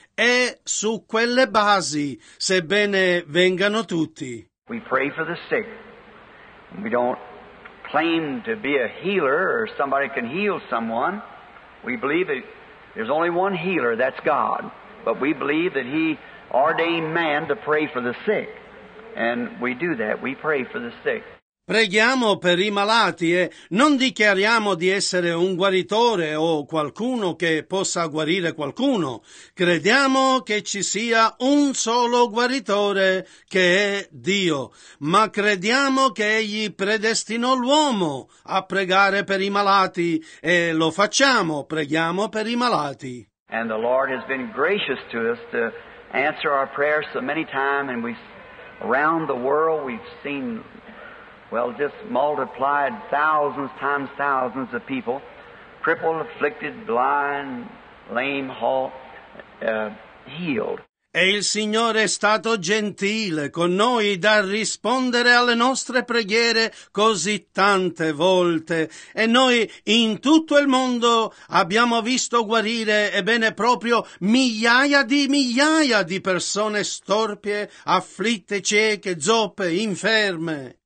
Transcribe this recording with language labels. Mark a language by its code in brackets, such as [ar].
[it] E su quelle basi, sebbene vengano tutti. [en] We pray for the sick. We don't claim to be a healer or somebody can heal someone. We believe that there's only one healer, that's God. But we believe that He ordained man to pray for the sick. And we do that. We pray for the sick. [it] Preghiamo per i malati e non dichiariamo di essere un guaritore o qualcuno che possa guarire qualcuno. Crediamo che ci sia un solo guaritore, che è Dio, ma crediamo che Egli predestinò l'uomo a pregare per i malati, e lo facciamo, preghiamo per i malati. [en] And the Lord has been gracious to us to answer our prayers so many times, and around the world we've seen just multiplied thousands times thousands of people, crippled, afflicted, blind, lame, halt, healed. [it] E il Signore è stato gentile con noi da rispondere alle nostre preghiere così tante volte. E noi in tutto il mondo abbiamo visto guarire, ebbene proprio, migliaia di persone storpie, afflitte, cieche, zoppe, inferme.